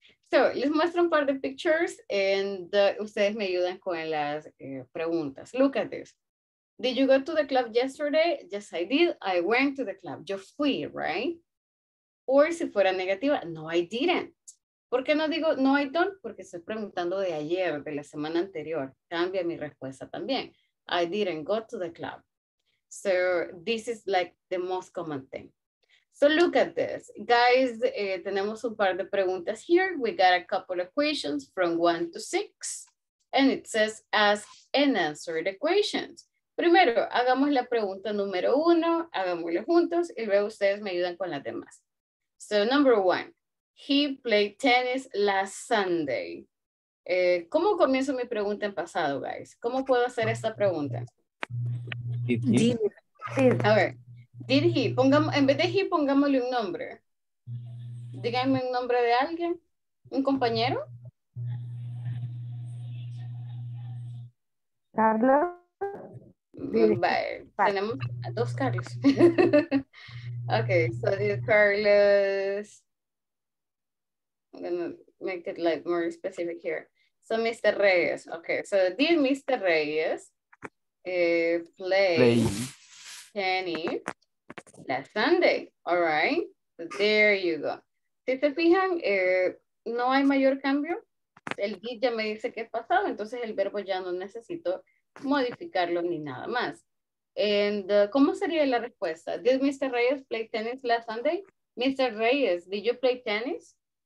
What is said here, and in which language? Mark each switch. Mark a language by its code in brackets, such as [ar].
[es] So, les muestro un par de pictures and ustedes me ayudan con las preguntas. [en] Look at this. Did you go to the club yesterday? Yes, I did. I went to the club. [es] Yo fui, right? Or si fuera negativa, no, [en] I didn't. [es] ¿Por qué no digo no, [en] I don't? [es] Porque estoy preguntando de ayer, de la semana anterior. Cambia mi respuesta también. [en] I didn't go to the club. So, this is like the most common thing. So look at this. Guys, [es] tenemos un par de preguntas [en] here. We got a couple of questions from 1 to 6. And it says ask and answer the questions. [es] Primero, hagamos la pregunta número 1. Hagámosla juntos y luego ustedes me ayudan con las demás. [en] So number 1. He played tennis last Sunday. [es] ¿Cómo comienzo mi pregunta en pasado, guys? ¿Cómo puedo hacer esta pregunta? A ver. [en] Did he, [es] pongamos, en vez de he, pongámosle un nombre. Díganme un nombre de alguien. ¿Un compañero? Carlos. Bye. Tenemos a dos Carlos. Ok, [en] so did Carlos. I'm gonna make it like more specific here. So Mr. Reyes. Ok, so did Mr. Reyes play tennis last Sunday, all right, so there you go. [es] Si se fijan, no hay mayor cambio. El did ya me dice que es pasado, entonces el verbo ya no necesito modificarlo ni nada más. [en] And [es] ¿cómo sería la respuesta? [en] Did Mr. Reyes play tennis last Sunday? Mr. Reyes, did you play tennis?